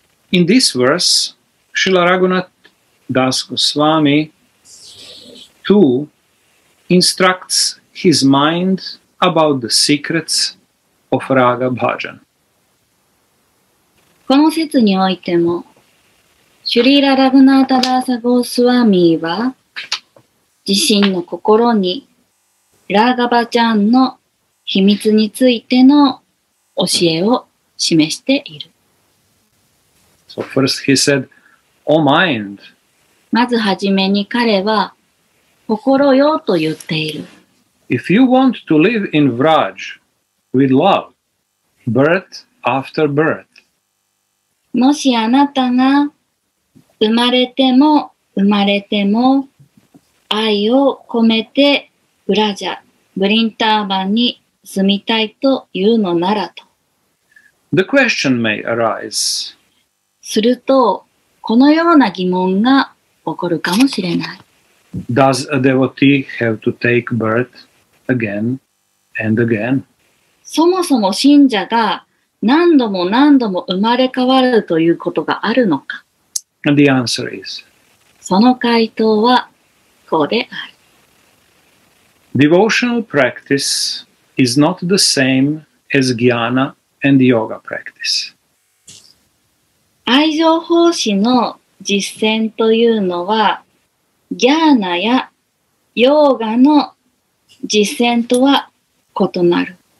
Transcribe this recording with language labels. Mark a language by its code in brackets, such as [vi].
[en] In this verse, Srila Raghunath Das Goswami Two, instructs his mind about the secrets of Raga Bhajan. [ja] この説においても、シュリーラ・ラグナータ・ダーサ・ゴースワミーは、自身の心に、ラーガバジャンの秘密についての教えを示している。 [en] So first he said, O mind. [ja] まずはじめに彼は、心よと言っている。 [en] If you want to live in Vraj with love, birth after birth. [ja] もしあなたが生まれても生まれても愛を込めてブラジャ、ブリンターバンに住みたいというのならと。 [en] The question may arise. [ja] すると、このような疑問が起こるかもしれない。 [en] Does a devotee have to take birth again and again? [ja] そもそも信者が何度も何度も生まれ変わるということがあるのか? [en] And the answer is, [ja] その回答はこうである。 [en] Devotional practice is not the same as jnana and yoga practice. [ja] 愛情奉仕の実践というのはギャーナやヨーガの実践とは異なる。